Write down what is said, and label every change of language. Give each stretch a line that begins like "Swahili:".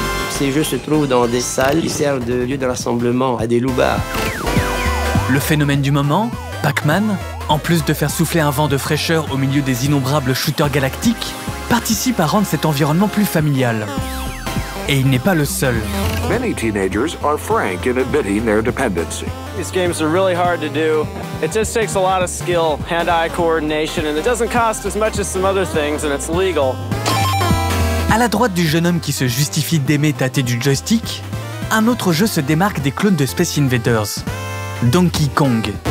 French: Ces jeux se trouvent dans des salles qui servent de lieu de rassemblement à des loubards. Le phénomène du moment, Pac-Man, en plus de faire souffler un vent de fraîcheur au milieu des innombrables shooters galactiques, participe à rendre cet environnement plus familial. Et il n'est pas le seul.
English: Many teenagers are frank in admitting their dependency. These games are really hard to do. It just takes a lot of skill, hand-eye coordination, and it doesn't cost as much as some other things, and it's legal.
French: À la droite du jeune homme qui se justifie d'aimer tâter du joystick, un autre jeu se démarque des clones de Space Invaders. Donkey Kong.